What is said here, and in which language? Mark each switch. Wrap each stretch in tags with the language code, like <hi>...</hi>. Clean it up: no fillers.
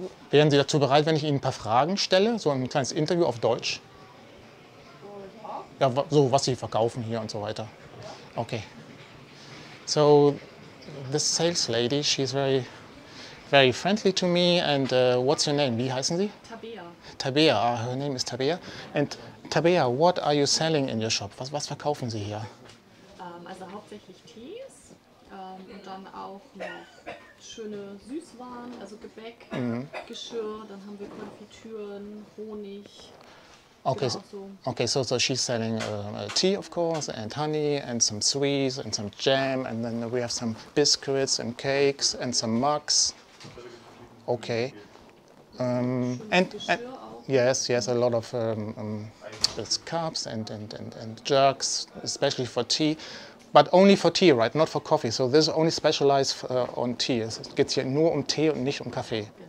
<de>Wären Sie dazu bereit, wenn ich Ihnen ein paar Fragen stelle, so ein kleines Interview auf Deutsch? Ja, so was Sie verkaufen hier und so weiter.</de> <en>Okay. So this sales lady, she's very, very friendly to me. And what's your name?</en> <de>Wie heißen Sie? Tabea.</de> <en>Tabea, her name is Tabea. And Tabea, what are you selling in your shop?</en> <de>Was verkaufen Sie hier? Also hauptsächlich Tees und dann auch noch schöne Süßwaren, also Gebäck, Geschirr. Dann haben wir Konfitüren, Honig.</de> <en>Okay, so she's selling tea, of course, and honey, and some sweets, and some jam, and then we have some biscuits and cakes, and some mugs. Okay. And yes, a lot of cups and jugs, especially for tea, but only for tea, right? Not for coffee. So this is only specialized on tea.</en> <de>Es geht hier nur Tee und nicht Kaffee.</de>